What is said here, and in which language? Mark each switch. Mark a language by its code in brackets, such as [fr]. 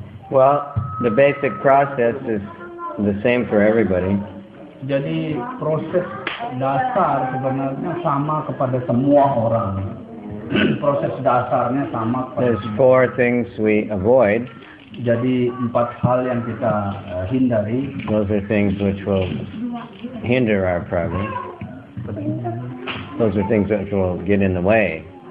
[en] Well, the basic process is the same for everybody. [id] Jadi proses dasar sebenarnya sama kepada semua orang. Proses dasarnya sama. [en] There's four things we avoid. [id] Jadi empat hal yang kita hindari. [en] Those are things which will hinder our progress. Those are things which will get in the way.